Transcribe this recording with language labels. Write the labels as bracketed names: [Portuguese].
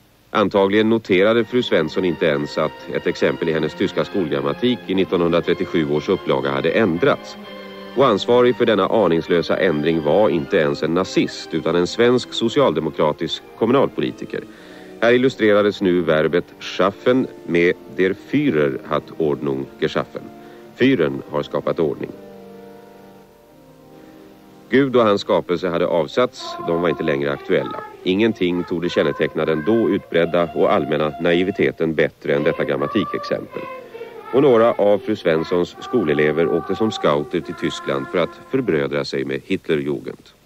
[Swedish] Antagligen noterade fru Svensson inte ens att ett exempel i hennes tyska skolgrammatik i 1937 års upplaga hade ändrats. Och ansvarig för denna aningslösa ändring var inte ens en nazist utan en svensk socialdemokratisk kommunalpolitiker. Här illustrerades nu verbet schaffen med [German] der Führer hat Ordnung geschaffen. [Swedish] Führern har skapat ordning. Gud och hans skapelse hade avsatts, de var inte längre aktuella. Ingenting tog det känneteckna den då utbredda och allmänna naiviteten bättre än detta grammatikexempel. Och några av fru Svenssons skolelever åkte som scouter till Tyskland för att förbrödra sig med Hitlerjugend.